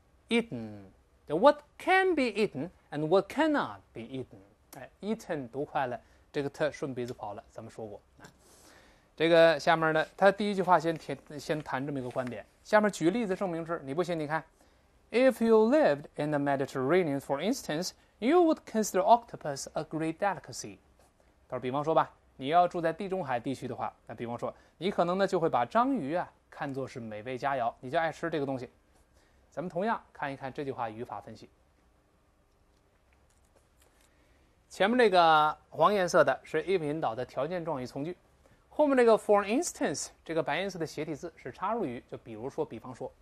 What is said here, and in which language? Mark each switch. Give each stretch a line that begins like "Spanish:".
English: Eaten, what can be eaten and what cannot be eaten?
Chinese: Eaten 读快了，这个特顺鼻子跑了。咱们说过，这个下面呢，他第一句话先谈这么一个观点。下面举例子证明是，你不信你看
English: ，If you lived in the Mediterranean, for instance, you would consider octopus a great delicacy.
Chinese: 他说，比方说吧，你要住在地中海地区的话，那比方说，你可能呢就会把章鱼啊看作是美味佳肴，你就爱吃这个东西。咱们同样看一看这句话语法分析。前面这个黄颜色的是 if 引导的条件状语从句，后面这个 for instance 这个白颜色的斜体字是插入语，就比如说、比方说。